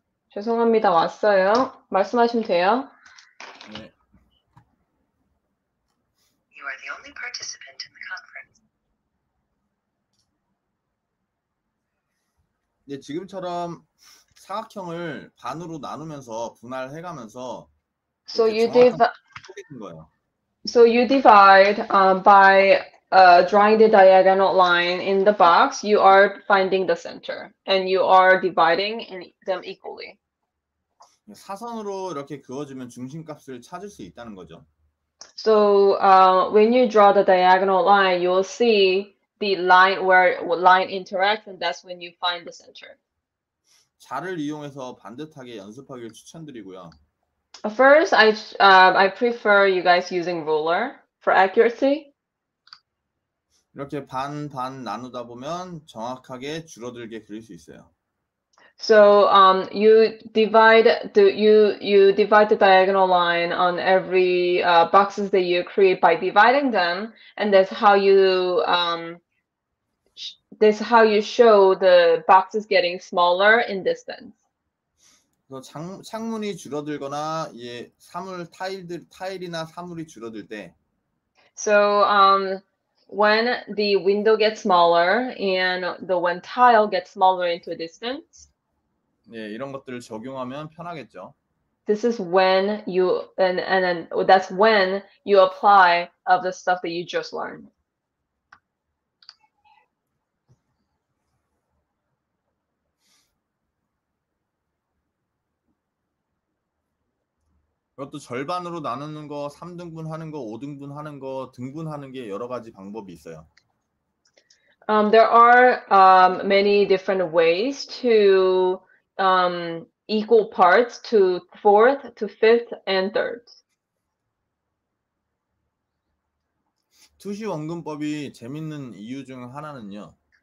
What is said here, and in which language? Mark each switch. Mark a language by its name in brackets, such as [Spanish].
[Korean] 죄송합니다. 왔어요. 말씀하시면 돼요. [English] Yeah. You are the only participant in the conference. [Korean] 네, 지금처럼 사각형을 반으로 나누면서 분할해가면서 [English] So [Korean] 이렇게 정확한 div. 표시를 해준 거예요. [English] So you divide by drawing the diagonal line in the box, you are finding the center and you are dividing them equally. [Korean] 사선으로 이렇게 그어주면 중심값을 찾을 수 있다는 거죠. [English] So when you draw the diagonal line, you'll see the line where line interacts, and that's when you find the center. [Korean] 자를 이용해서 반듯하게 연습하길 추천드리고요. [English] First, I prefer you guys using ruler for accuracy. [Korean] 이렇게 반반 나누다 보면 정확하게 줄어들게 그릴 수 있어요. [English] So you divide the diagonal line on every boxes that you create by dividing them, and that's how you show the boxes getting smaller in distance. [Korean] 창문이 줄어들거나 예, 사물 타일들 타일이나 사물이 줄어들 때 [English] So when the window gets smaller and the one tile gets smaller into a distance, [Korean] 예, 이런 것들을 적용하면 편하겠죠. [English] this is when you and then that's when you apply of the stuff that you just learned. [Korean] 이것도 절반으로 나누는 거, 3등분 하는 거, 5등분 하는 거, 등분하는 게 여러 가지 방법이 있어요. [English] There are many different ways to equal parts to fourth, to fifth, and third. [Korean] 투시 원근법이 재밌는 이유 중 하나는요.